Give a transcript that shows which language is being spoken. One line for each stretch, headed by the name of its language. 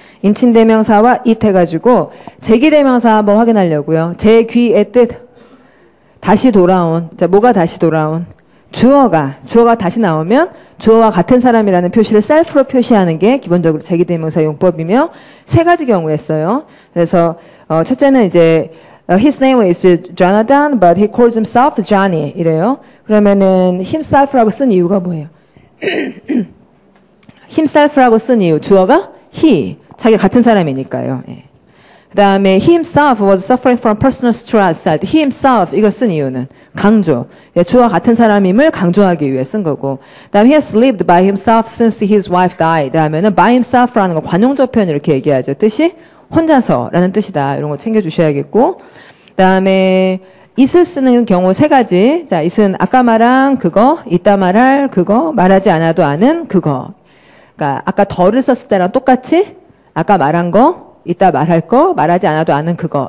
Korean: 인칭대명사와 it 해가지고 제기대명사 한번 확인하려고요. 제 귀의 뜻. 다시 돌아온. 자, 뭐가 다시 돌아온? 주어가 다시 나오면 주어와 같은 사람이라는 표시를 self로 표시하는 게 기본적으로 제기대명사 용법이며 세 가지 경우에 써요. 그래서 첫째는 이제
English: His name is Jonathan, but he calls himself Johnny.
Korean: 이래요. 그러면은 himself라고 쓴 이유가 뭐예요? himself라고 쓴 이유 주어가 he, 자기 같은 사람이니까요. 예. 그다음에
English: he himself was suffering from personal stress.
Korean: He himself 이거 쓴 이유는 강조. 예, 주어 같은 사람임을 강조하기 위해 쓴 거고. 그다음
English: he has lived by himself since his wife died.
Korean: 하면은 by himself라는 건 관용적 표현 이렇게 얘기하죠. 뜻이 혼자서라는 뜻이다. 이런 거 챙겨주셔야겠고. 그 다음에 it을 쓰는 경우 세 가지. 자, it은 아까 말한 그거, 이따 말할 그거, 말하지 않아도 아는 그거. 그러니까 아까 덜을 썼을 때랑 똑같이 아까 말한 거, 이따 말할 거, 말하지 않아도 아는 그거.